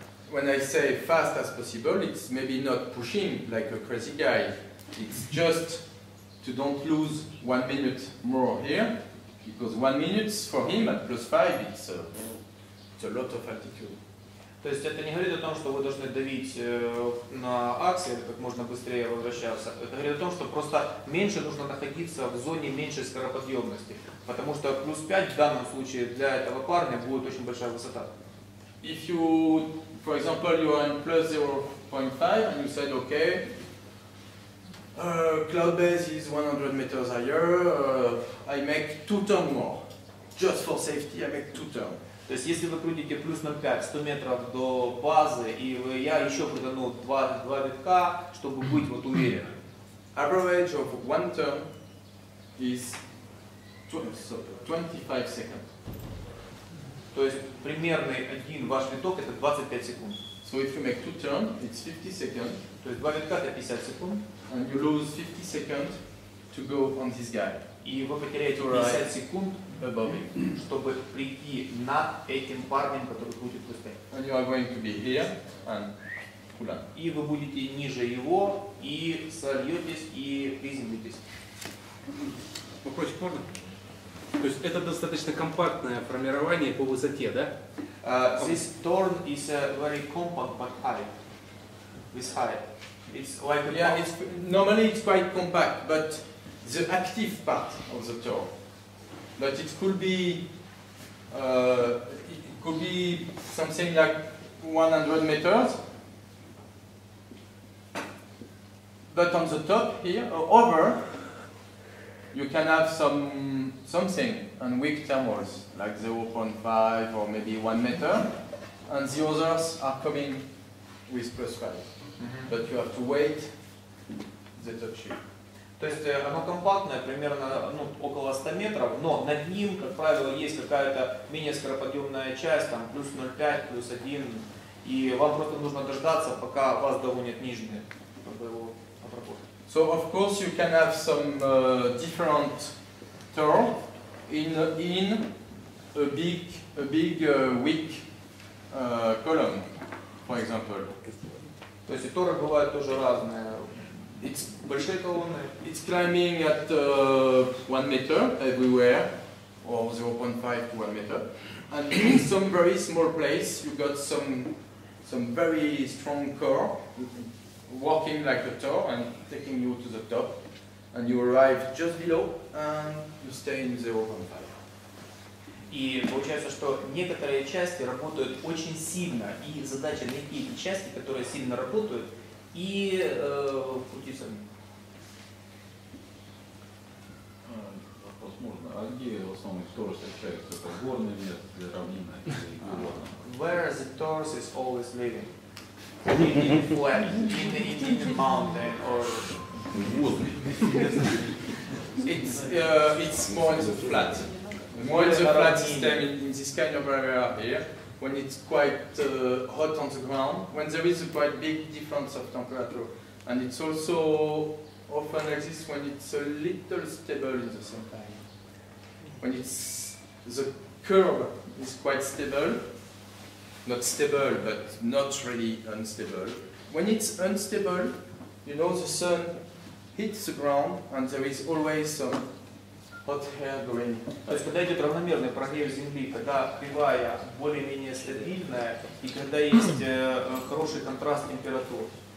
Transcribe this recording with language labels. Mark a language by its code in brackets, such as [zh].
[en] when I say fast as possible, it's maybe not pushing like a crazy guy. It's just to don't lose 1 minute more here, because 1 minute for him at plus five, it's a lot of altitude. [ru] То есть это не говорит о том, что вы должны давить на аксель, как можно быстрее возвращаться. Это говорит о том, что просто меньше нужно находиться в зоне меньшей скороподъемности. Потому что плюс 5 в данном случае для этого парня будет очень большая высота. [en] If you, for example, you are in plus 0.5 and you said, okay, cloud base is 100 meters higher, I make 2 turns more. Just for safety, I make 2 turns. [ru] То есть если вы крутите плюс 0,5, 100 метров до базы, и вы, я еще придану 2 витка, чтобы быть вот уверенным. [en] Average of one turn is 25 seconds. [ru] То есть примерный один ваш виток это 25 секунд. [en] So if you make two turn, it's 50 seconds. [ru] То есть 2 витка это 50 секунд. [en] And you lose 50 seconds to go on this guy. [ru] И вы потеряете 50 секунд, чтобы прийти над этим парнем, который будет выстоять. И вы будете ниже его, и сольетесь, и приземлитесь. Вопросик можно? То есть это достаточно компактное формирование по высоте, да? [en] This turn is very compact, but high. With height. It's like yeah, it's, normally it's quite compact, but the active part of the turn. But it could be something like 100 meters. But on the top here, or over, you can have something and weak thermals, like 0.5 or maybe 1 meter. And the others are coming with plus 5. Mm-hmm. But you have to wait the top shift. [ru] То есть оно компактное, примерно ну, около 100 метров, но над ним, как правило, есть какая-то менее скороподъемная часть, там плюс 0,5, плюс 1, и вам просто нужно дождаться, пока вас догонят нижние, чтобы его обработать. [en] So, of course, you can have some different turn in a big weak column, for example. [ru] То есть и торы бывают тоже разные. [en] It's [ru] большие колонны. [en] It's climbing at 1 meter everywhere, or 0.5 to 1 meter, and in some very small place you got some very strong core walking like a tower and taking you to the top, and you arrive just below and you stay in 0.5. [ru] И получается, что некоторые части работают очень сильно, и задача найти эти части, которые сильно работают. И пути сами. Вопрос можно. А где в основном торсы общаются? Это горный мест, или равнина, или горная? [en] Where the torus is always living? In the flat, in the mountain, or... It's more in the flat. More in the flat system, in this kind of area here. When it's quite hot on the ground, when there is a quite big difference of temperature. And it's also often exists when it's a little stable in the same time. When it's the curve is quite stable, not stable, but not really unstable. When it's unstable, you know, the sun hits the ground and there is always some hot air going. [ru] То есть когда идет равномерный прогрев Земли, когда кривая более-менее стабильная и когда есть хороший контраст температур.